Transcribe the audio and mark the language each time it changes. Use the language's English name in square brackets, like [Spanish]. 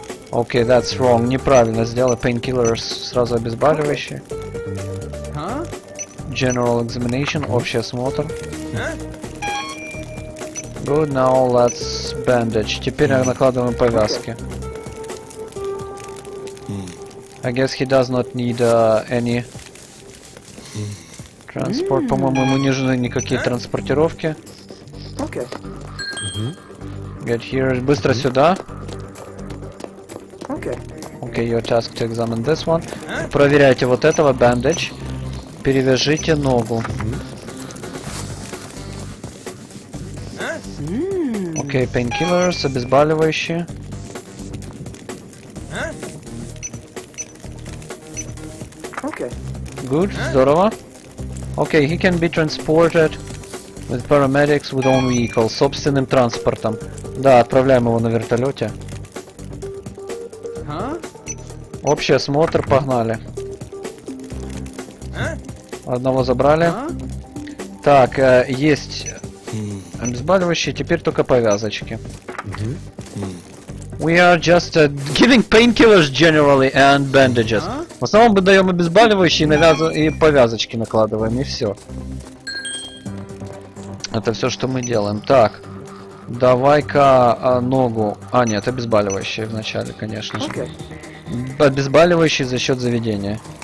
[English] Окей, okay, that's wrong. [Russian] Неправильно сделал. [English] Painkillers [Russian] сразу обезболивающие. [English] General examination, [Russian] общий осмотр. [English] Good, now let's bandage. [Russian] Теперь накладываем повязки. [English] I guess he does not need any transport. [Russian] По-моему, ему не нужны никакие транспортировки. [English] Okay. Get here. [Russian] Быстро сюда. [English] Okay. Okay, your task to examine this one. [Russian] Проверяйте вот этого, [English] bandage. [Russian] Перевяжите ногу. [English] Окей, painkillers, [Russian] обезболивающие. [English] Good, [Russian] здорово. [English] Окей, he can be transported with paramedics with own vehicle, [Russian] собственным транспортом. Да, отправляем его на вертолете. Общий осмотр, погнали. Одного забрали. Так, есть обезболивающие, теперь только повязочки. [English] We are just giving painkillers generally and bandages. [Russian] В основном мы даем обезболивающие и повязочки накладываем, и все. Это все, что мы делаем. Так, давай-ка ногу. А, нет, обезболивающие вначале, конечно же. Обезболивающие за счет заведения.